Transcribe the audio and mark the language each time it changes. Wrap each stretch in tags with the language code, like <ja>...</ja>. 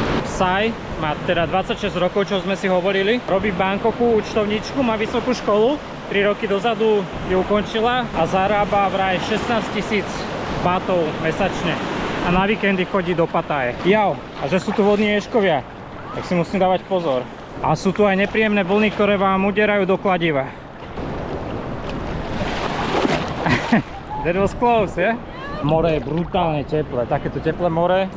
<sk>Sai má teda 26 rokov, čo sme si hovorili. Robí v Bangkoku účtovničku, má vysokú školu. 3 roky dozadu ju ukončila a zarába vraj 16 000 bahtov mesačne. A na víkendy chodí do Pattaje. Jau, a že sú tu vodní ježkovia, tak si musím dávať pozor. A sú tu aj nepríjemné vlny, ktoré vám uderajú do kladiva.</sk> <en>That was close, yeah?</en> <sk>More je brutálne teplé, takéto teplé more.</sk>